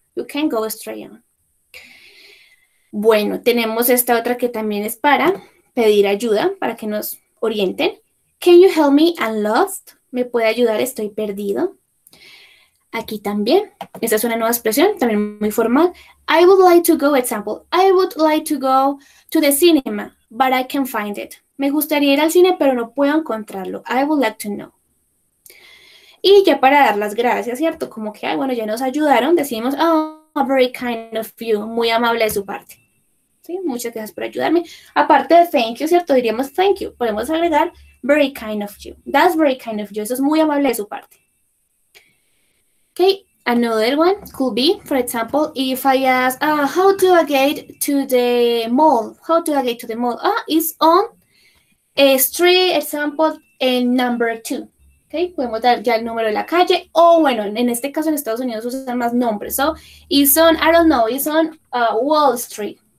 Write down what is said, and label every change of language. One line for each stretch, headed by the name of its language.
English: You can go straight on.
Spanish: Bueno, tenemos esta otra que también es para pedir ayuda, para que nos orienten.
English: Can you help me? I'm lost.
Spanish: ¿Me puede ayudar? Estoy perdido. Aquí también. Esta es una nueva expresión, también muy formal.
English: I would like to go, example. I would like to go to the cinema, but I can't find it.
Spanish: Me gustaría ir al cine, pero no puedo encontrarlo.
English: I would like to know.
Spanish: Y ya para dar las gracias, ¿cierto? Como que, ay, bueno, ya nos ayudaron, decimos, oh,
English: very kind of you,
Spanish: muy amable de su parte. Sí, muchas gracias por ayudarme. Aparte de thank you, ¿cierto? Diríamos thank you. Podemos agregar
English: very kind of you. That's very kind of you.
Spanish: Eso es muy amable de su parte.
English: Okay, another one could be, for example, if I ask, how do I get to the mall? How do I get to the mall? It's on a street, example, in number two.
Spanish: Okay, podemos dar ya el número de la calle. O bueno, en este caso en Estados Unidos usan más nombres.
English: So, it's on, I don't know, it's on Wall Street.